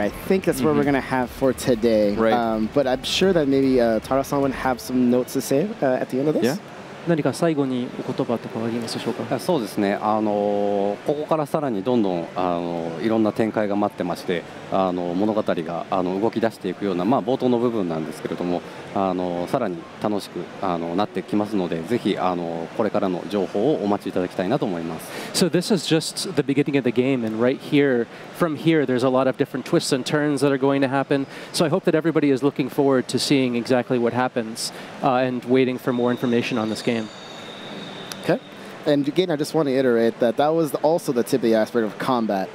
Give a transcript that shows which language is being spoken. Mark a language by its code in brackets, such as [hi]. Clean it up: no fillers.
[en] I think that's where we're going to have for today. Right. But I'm sure that maybe Tara-san would have some notes to say at the end of this. Yeah. [ja] 何か最後にお言葉とかありますでしょうか。そうですね。ここからさらにどんどんいろんな展開が待ってまして、物語が動き出していくような、まあ、冒頭の部分なんですけれども、さらに楽しくなってきますので、ぜひこれからの情報をお待ちいただきたいなと思います。 [en] So this is just the beginning of the game, and right here, from here, there's a lot of different twists and turns that are going to happen. So I hope that everybody is looking forward to seeing exactly what happens, and waiting for more information on this. Okay. And again, I just want to iterate that that was also the tip of the iceberg of combat.